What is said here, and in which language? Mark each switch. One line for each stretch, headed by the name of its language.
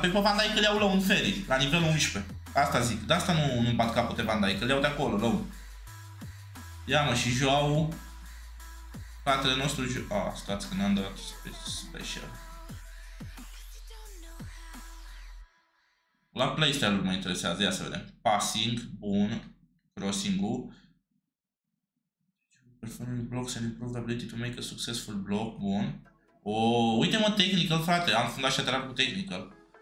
Romanian: Păi pe Van Dijk îl iau la un ferit, la nivelul 11. Asta zic, de asta nu-mi bat capul de Van Dijk, îl iau de acolo, la un. Ia mă, și Joao. Fratele nostru, Joao. Ah, stați că n-am dat special. La playstyle-ul mă interesează, ia să vedem. Passing, bun. Crossing-ul.
English: Performing blocks and improved ability to make a successful block, bun.
Romanian: O, uite-mă, technical, frate, am fundat și-a cu technical.